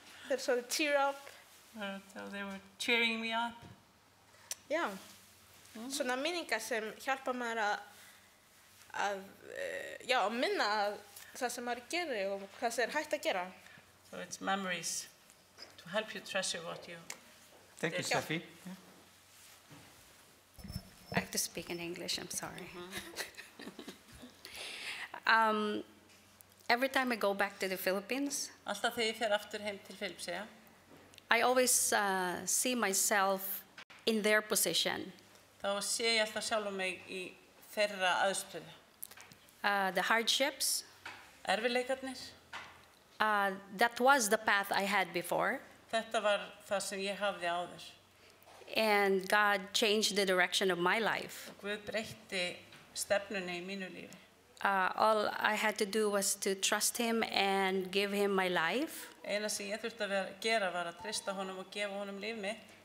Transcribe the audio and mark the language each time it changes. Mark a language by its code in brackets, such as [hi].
[is] Þeir sögðu [en] tear up. So they were cheering me up. [is] Já, svona minningar sem hjálpa maður að já, að minna að það sem maður gerir og hvað sem hægt að gera. [en] So it's memories to help you treasure what you Thank did. You, Sophie. Yeah. I have to speak in English, I'm sorry. Mm-hmm. every time I go back to the Philippines, [is] Alltaf þegar ég fer aftur heim til Filippse, ja? [en] I always see myself in their position. [is] Þá sé ég alltaf sjálfum mig í þeirra aðstöðu. [en] The hardships. [is] Erfileikarnir. [en] That was the path I had before. [is] Þetta var það sem ég hafði áður. [en] And God changed the direction of my life. [is] Og Guð breytti stefnunni í mínu lífi. [en] All I had to do was to trust him and give him my life. [is] Eina sem ég þurfti að gera var að treysta honum og gefa honum líf mitt.